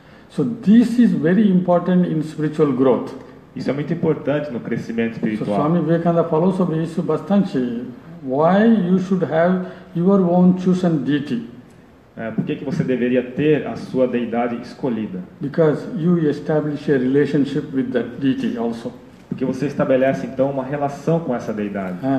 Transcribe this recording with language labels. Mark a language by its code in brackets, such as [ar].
[en] So this is very important in spiritual growth. [pt] Isso é muito importante no crescimento espiritual. So, Swami Vivekananda falou sobre isso bastante. [en] Why you should have your own chosen deity? [pt] Por que você deveria ter a sua deidade escolhida? [en] Because you establish a relationship with that deity also. [pt] Porque você estabelece então uma relação com essa deidade.